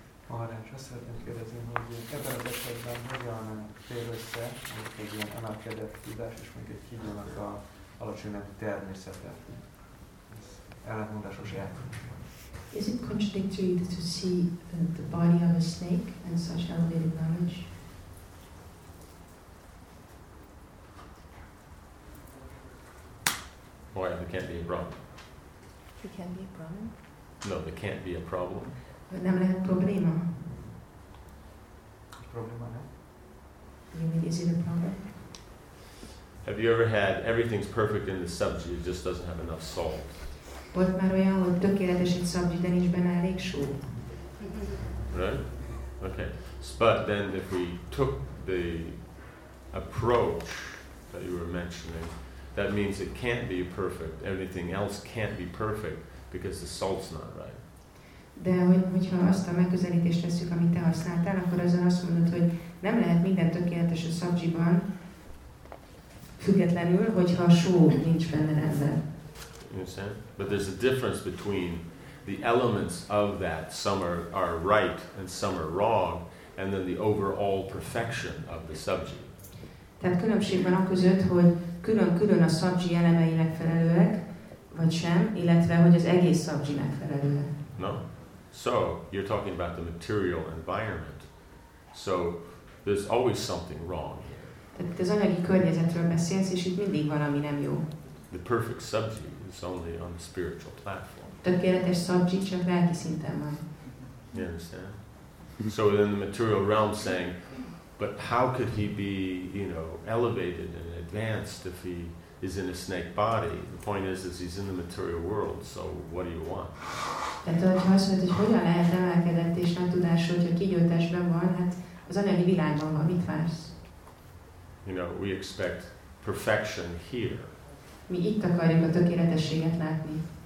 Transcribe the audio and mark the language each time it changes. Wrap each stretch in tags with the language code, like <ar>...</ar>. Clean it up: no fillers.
<hu>Maharács, azt szeretném kérdezni, hogy ebben az esetben hogyan fér össze, mint egy ilyen emelkedett tudás, és mondjuk egy kígyónak a alacsonyabb természete. Ez ellentmondásos jel.</hu> <en>Is it contradictory to see the body of a snake and such elevated knowledge? Why, there can't be a problem. There can't be a problem? No, there can't be a problem.</en> <hu>But nem lehet probléma. Probléma, no?</hu> <en>You mean, is it a problem? Have you ever had everything's perfect in the subject, it just doesn't have enough salt?</en> <hu>Volt már olyan, hogy tökéletes egy subject, de nincs benne elég só.</hu> <en>Right? Okay. But then if we took the approach that you were mentioning, that means it can't be perfect. Everything else can't be perfect because the salt's not right.</en> <hu>De hogyha azt a megközelítést veszük, amit te használtál, akkor azon azt mondod, hogy nem lehet minden tökéletes a szabzsiban, függetlenül, hogyha a só nincs benne rendben.</hu> <en>You understand? But there's a difference between the elements of that. Some are right and some are wrong, and then the overall perfection of the subject.</en> <hu>Tehát különbség van a között, hogy külön-külön a szabzsi elemeinek felelőek, vagy sem, illetve hogy az egész szabzsinek felelőek.</hu> <en>No. So, you're talking about the material environment. So, there's always something wrong here.</en> <hu>Tehát az anyagi környezetről beszélsz, és itt mindig valami nem jó.</hu> <en>The perfect szabzsi is only on the spiritual platform.</en> <hu>Tökéletes szabzsi csak lelki szinten van.</hu> <en>You understand? So, in the material realm saying, but how could he be, you know, elevated and advanced if he is in a snake body? The point is he's in the material world, so what do you want?</en> <hu>Tehát hogyha azt mondod, hogy hogyan lehet emelkedett és nem tudás, hogyha kígyótestben van, hát az anyagi világban van, mit vársz?</hu> <en>You know, we expect perfection here.</en> <hu>Mi itt akarjuk a tökéletességet látni.</hu>